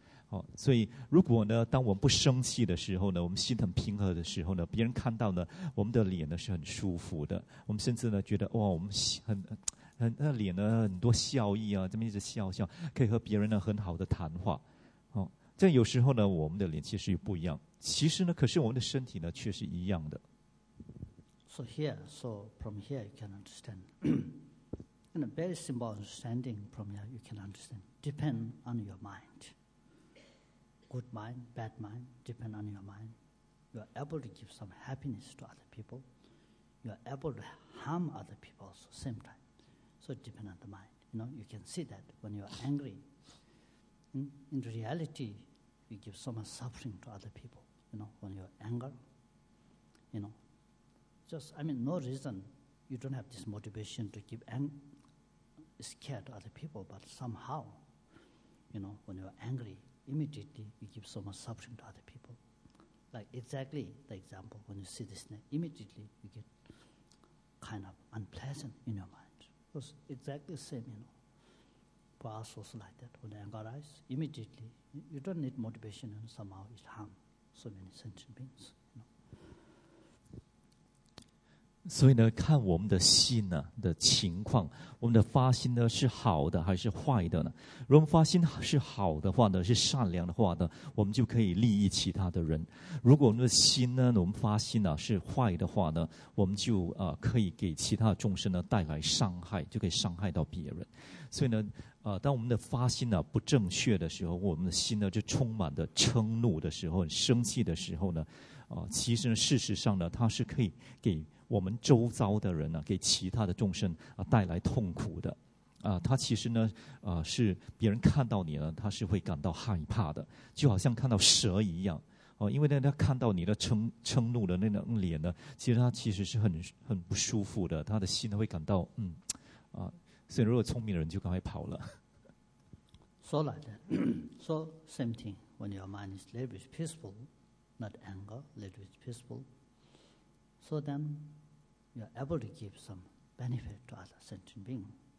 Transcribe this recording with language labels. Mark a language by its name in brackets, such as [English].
[Chinese] 哦，所以如果呢，当我们不生气的时候呢，我们心很平和的时候呢，别人看到呢，我们的脸呢是很舒服的。我们甚至呢觉得哇，我们很那脸呢很多笑意啊，这么一直笑，可以和别人呢很好的谈话。哦，这有时候呢，我们的脸其实又不一样。其实呢，可是我们的身体呢，却是一样的。 [English] So here, so from here you can understand, and a very simple understanding from here you can understand. Depend on your mind. Good mind, bad mind, depend on your mind. You are able to give some happiness to other people. You are able to harm other people also, same time. So depend on the mind. You know, you can see that when you are angry. In reality, you give so much suffering to other people. You know, when you are anger, you know, just, I mean, no reason, you don't have this motivation to give anger, scared other people, but somehow, you know, when you are angry, immediately you give so much suffering to other people. Like exactly the example, when you see this snake, immediately you get kind of unpleasant in your mind. It was exactly the same, you know, for us also like that. When anger arises, immediately, you don't need motivation and somehow it harms. So many sentient beings, you know. [Chinese] 所以呢，看我们的心呢、啊、的情况，我们的发心呢是好的还是坏的呢？如果发心是好的话呢，是善良的话呢，我们就可以利益其他的人；如果我们的心呢，我们发心呢、啊、是坏的话呢，我们就可以给其他众生呢带来伤害，就可以伤害到别人。所以呢。当我们的发心、啊、不正确的时候，我们的心呢就充满了嗔怒的时候，生气的时候呢、其实事实上呢，它是可以给我们周遭的人、啊、给其他的众生、啊、带来痛苦的、它其实呢、是别人看到你呢，他是会感到害怕的，就好像看到蛇一样、因为呢他看到你的 嗔怒的那张脸呢，其实他其实是 很不舒服的，他的心会感到所以如果聪明的人就赶快跑了。 [English] So like that. So same thing. When your mind is a little bit peaceful, not anger, a little bit peaceful, so then you are able to give some benefit to other sentient beings.